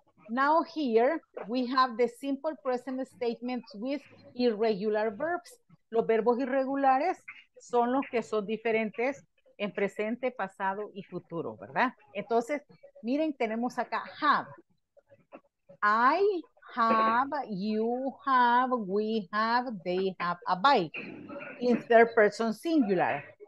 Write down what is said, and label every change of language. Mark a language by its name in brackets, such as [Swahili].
[English] Now here, we have the simple present statements with irregular verbs. [Spanish] Los verbos irregulares son los que son diferentes en presente, pasado y futuro, ¿verdad? Entonces, miren, tenemos acá have. [English] I have, you have, we have, they have a bike. In third person singular.